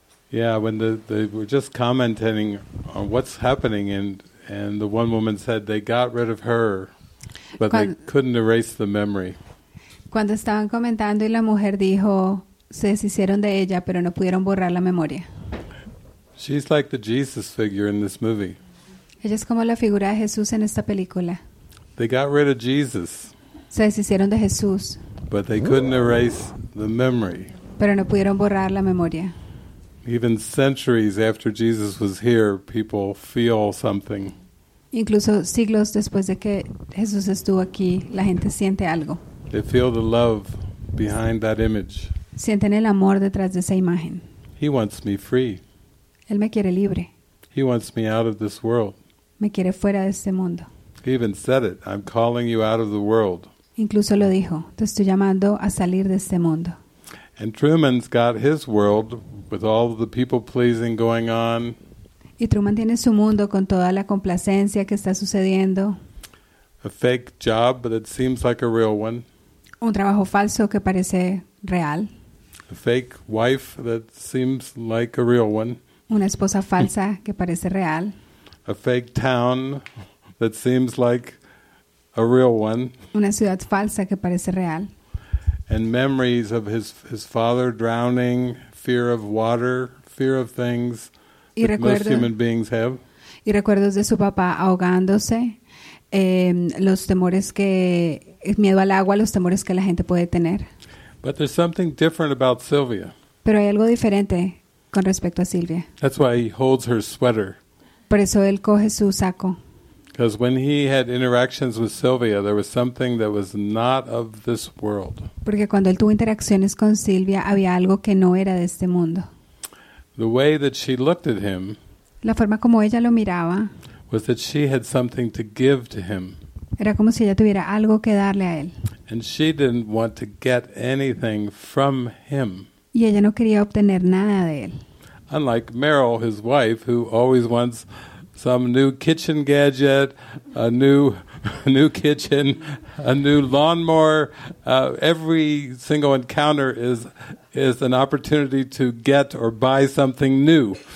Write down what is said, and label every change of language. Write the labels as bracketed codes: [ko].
[en] Yeah, when they were just commenting on what's happening and the one woman said they got rid of her, but they couldn't erase the memory. [es] Cuando estaban comentando y la mujer dijo, se deshicieron de ella, pero no pudieron borrar la memoria. [en] She's like the Jesus figure in this movie. [es] Ella es como la figura de Jesús en esta película. [en] They got rid of Jesus. [es] Se deshicieron de Jesús. [en] But they couldn't erase the memory. [es] Pero no pudieron borrar la memoria. [en] Even centuries after Jesus was here, people feel something. [es] Incluso siglos después de que Jesús estuvo aquí, la gente siente algo. [en] They feel the love behind that image. [es] Sienten el amor detrás de esa imagen. [en] He wants me free. [es] Él me quiere libre. [en] He wants me out of this world. [es] Me quiere fuera de este mundo. [en] He even said it, I'm calling you out of the world. [es] Incluso lo dijo, te estoy llamando a salir de este mundo. [en] And Truman's got his world with all the people pleasing going on. [es] Y Truman tiene su mundo con toda la complacencia que está sucediendo. [en] a fake job, but it seems like a real one. [es] Un trabajo falso que parece real. [en] A fake wife that seems like a real one. [es] Una esposa falsa que parece real. [en] A fake town that seems like a real one. [es] Una ciudad falsa que parece real. [en] And memories of his father drowning, fear of water, fear of things [es] y [en] that [es] recuerdo, [en] most human beings have. [es] Y recuerdos de su papá ahogándose, los temores que miedo al agua, los temores que la gente puede tener. [en] But there's something different about Sylvia. [es] Pero hay algo diferente con respecto a Silvia. [en] That's why he holds her sweater. [es] Por eso él coge su saco. [en] Because when he had interactions with Sylvia, there was something that was not of this world. [es] Porque cuando él tuvo interacciones con Silvia, había algo que no era de este mundo. [en] The way that she looked at him. [es] La forma como ella lo miraba. [en] Was that she had something to give to him. [es] Era como si ella tuviera algo que darle a él. [en] And she didn't want to get anything from him. [es] Y ella no quería obtener nada de él. [en] Unlike Meryl, his wife, who always wants some new kitchen gadget, a new kitchen, a new lawnmower. Every single encounter is an opportunity to get or buy something new.